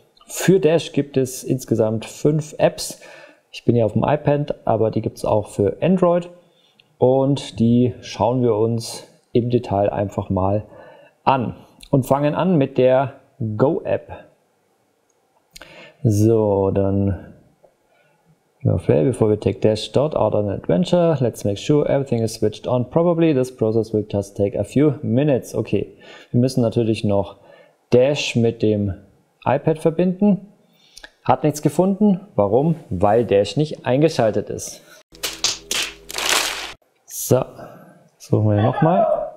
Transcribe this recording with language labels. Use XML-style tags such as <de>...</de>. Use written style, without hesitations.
<de>Für Dash gibt es insgesamt 5 Apps. Ich bin ja auf dem iPad, aber die gibt es auch für Android. Und die schauen wir uns im Detail einfach mal an. Und fangen an mit der Go-App.</de> <en>So, dann before we take Dash dot out on an adventure, let's make sure everything is switched on. Probably this process will just take a few minutes.</en> <de>Okay, wir müssen natürlich noch Dash mit dem iPad verbinden. Hat nichts gefunden. Warum? Weil Dash nicht eingeschaltet ist. So, suchen wir ihn nochmal.</de>